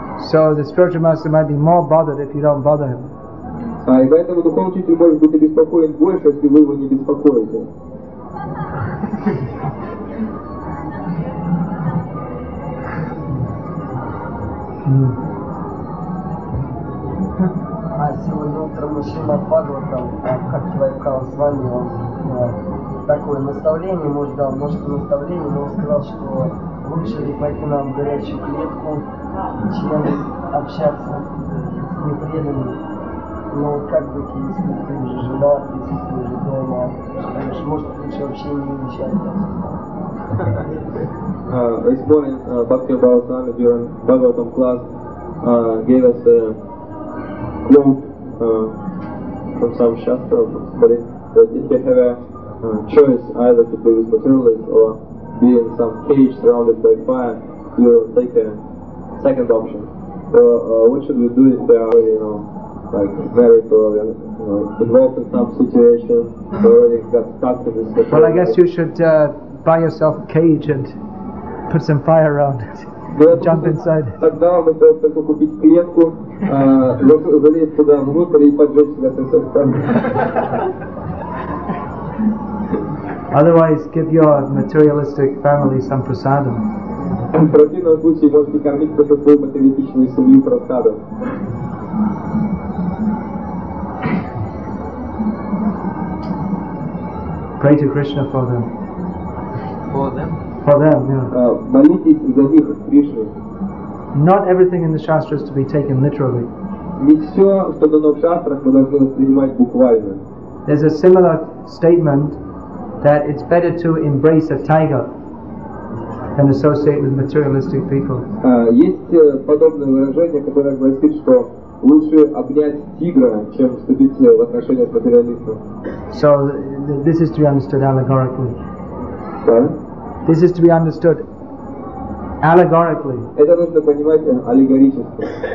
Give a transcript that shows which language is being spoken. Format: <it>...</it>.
<en>So the spiritual master might be more bothered if you don't bother him.</en> <ru>И поэтому духовный учитель может быть обеспокоен больше, если вы его не беспокоите. А сегодня утром Шрила Бхагаватам, как Вайбхава с вами, он такое наставление, может, дал, может, наставление, но он сказал, что лучше ли пойти нам в горячую клетку, чем общаться с непреданными. Но как быть, если ты уже жена, если ты уже дома, конечно, может лучше вообще не уезжать.</ru> <en>This morning, Bhakti Balasami during Bhagavatam class gave us a clue from some shastra or somebody that if you have a choice either to be with materialists or be in some cage surrounded by fire, you take a second option. So what should we do if we are, you know, like married or involved in some situation, already got stuck in this situation? Well, I guess you should buy yourself a cage and put some fire around it. Jump inside.</en> <ru>Тогда вам нужно купить клетку, залезть туда внутрь и поджечь себя со всех сторон.</ru> <en>Otherwise, give your materialistic family some prasadam.</en> <ru>В противном случае можете кормить просто свою материалистичную семью прасадом.</ru> <en>Pray to Krishna for them. For them? For them, yeah.</en> <ru>Молитесь за них, Кришне.</ru> <en>Not everything in the Shastra is to be taken literally.</en> <ru>Не все, что дано в Шастрах, мы должны воспринимать буквально.</ru> <en>There's a similar statement that it's better to embrace a tiger than associate with materialistic people.</en> <ru>Есть подобное выражение, которое гласит, что лучше обнять тигра, чем вступить в отношения с материалистом.</ru> <en>So, this is to be understood allegorically. Pardon? This is to be understood allegorically.</en> <ru>Это нужно понимать аллегорически.</ru>